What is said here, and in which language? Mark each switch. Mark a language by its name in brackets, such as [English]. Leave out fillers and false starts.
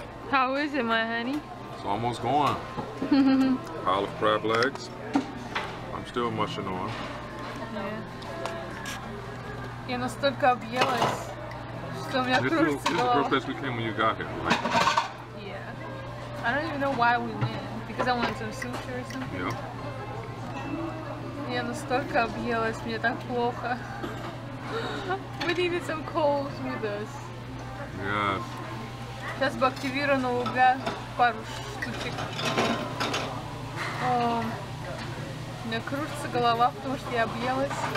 [English] How is it, my honey? It's almost gone. Pile of crab legs. I'm still mushing on. Yeah. [Russian] Я настолько объелась, что у меня кружится голова. [English] This is the first place we came when you got here, right? Yeah. I don't even know why we went. Because I wanted some sushi or something. Yeah. [Russian] Я настолько объелась, мне так плохо. [English] We needed some coals with us. Yes. [Russian] Сейчас бы активировала угля пару штучек. О, у меня кружится голова, потому что я объелась.